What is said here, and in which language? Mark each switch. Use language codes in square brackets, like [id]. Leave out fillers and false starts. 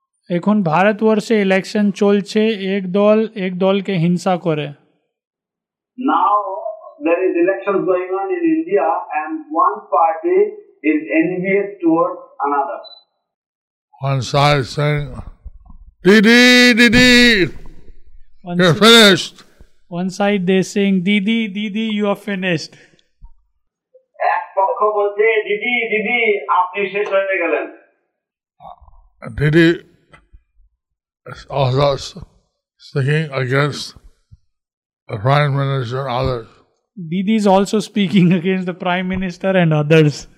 [bn] এখন ভারতবর্ষে ইলেকশন চলছে, এক দল এক দলকে হিংসা করে। [en] Now there is elections going on in India and one party is envious towards another. One side saying, "Didi, didi, you're finished." One side they saying, "Didi, didi, you are finished." [bn] এক পক্ষ বলছে, "Didi, didi, আপনি শেষ হয়ে গেলেন." [en] Didi is also speaking against the Prime Minister and others. Didi is also speaking against the Prime Minister and others.